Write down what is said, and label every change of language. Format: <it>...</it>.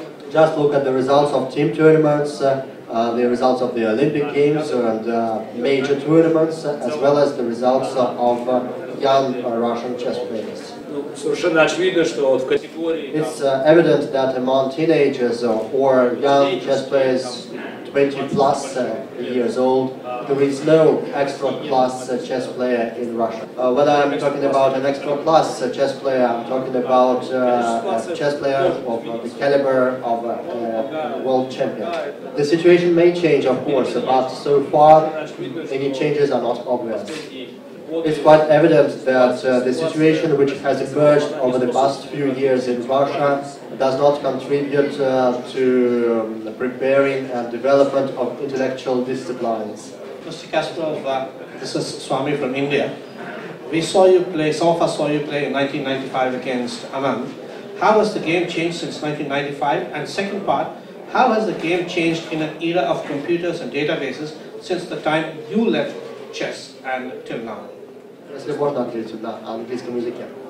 <en>Just look at the results of team tournaments, the results of the Olympic Games and major tournaments, as well as the results of young Russian chess players.</en> <ru>Совершенно очевидно, что вот в категории.</ru> <en>It's evident that among teenagers or young chess players, 20 plus years old, there is no extra plus chess player in Russia. When I'm talking about an extra plus chess player, I'm talking about chess player of the caliber of a world champion. The situation may change, of course, but so far any changes are not obvious. It's quite evident that the situation which has emerged over the past few years in Russia does not contribute to the preparing and development of intellectual disciplines. Mr. Kasparov, this is Swami from India. We saw you play, some of us saw you play in 1995 against Anand. How has the game changed since 1995? And second part, how has the game changed in an era of computers and databases since the time you left chess and till now?</en> <ru>Если можно ответить на английском языке.</ru>